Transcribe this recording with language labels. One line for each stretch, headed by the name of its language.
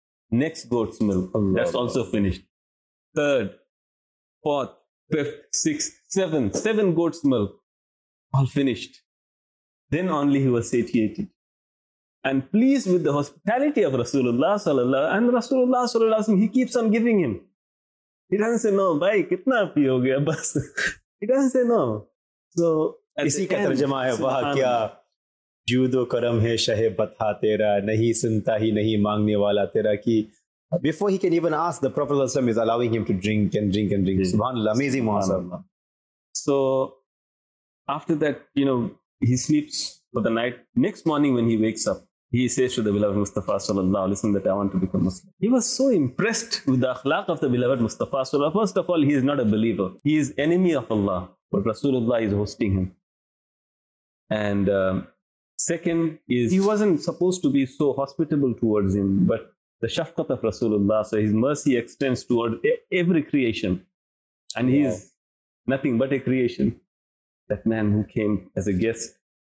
English: Next goat's milk, Allah, that's Allah. Also finished. Third, fourth, fifth, sixth, seven goat's milk, all finished. Then only he was satiated and pleased with the hospitality of Rasulullah sallallahu alaihi wasallam. And Rasulullah sallallahu alaihi wasallam, he keeps on giving him. He doesn't say no,
Urdu: bhai, kitna pi ho gaya bas.
English: He doesn't say no. So,
Urdu: isi ka tarjuma hai, wah kya جود و کرم ہے شہ بتھا تیرا, نہیں سنتا ہی نہیں مانگنے والا تیرا.
English: کی before he can even ask, the prophet صلی اللہ علیہ وسلم is allowing him to drink and drink and drink. سبحان اللہ, امیزنگ ماشاءاللہ. So after that, you know, he sleeps for the night. Next morning when he wakes up, he says to the beloved Mustafa صلی اللہ علیہ وسلم that I want to become Muslim. He was so impressed with the اخلاق of the beloved Mustafa صلی اللہ علیہ وسلم. First of all, he is not a believer, he is enemy of Allah, but Rasool Allah is hosting him. And second is, he wasn't supposed to be so hospitable towards him, but the shafqat of Rasulullah, so his mercy extends toward every creation, and he is nothing but a creation, that man who came as a guest.